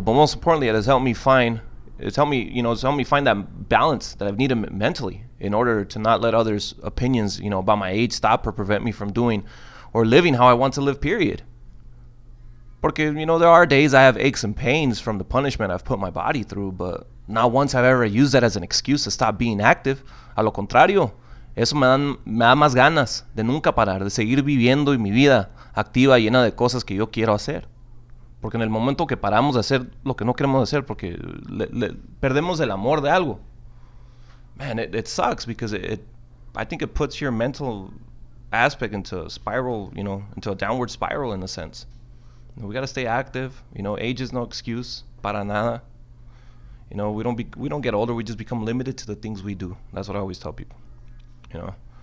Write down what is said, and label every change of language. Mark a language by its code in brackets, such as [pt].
[en] But most importantly, it has helped me find... It's helped me find that balance that I've needed mentally in order to not let others' opinions, you know, about my age stop or prevent me from doing or living how I want to live, period. [es] Porque, [en] you know, there are days I have aches and pains from the punishment I've put my body through, but not once have I ever used that as an excuse to stop being active. [es] A lo contrario, eso me da más ganas de nunca parar, de seguir viviendo y mi vida activa llena de cosas que yo quiero hacer. Porque en el momento que paramos de hacer lo que no queremos hacer, porque le perdemos el amor de algo. [en] Man, it sucks because I think it puts your mental aspect into a spiral, you know, into a downward spiral in a sense. We got to stay active, you know, age is no excuse, [es] para nada. [en] You know, we don't get older, we just become limited to the things we do. That's what I always tell people, you know.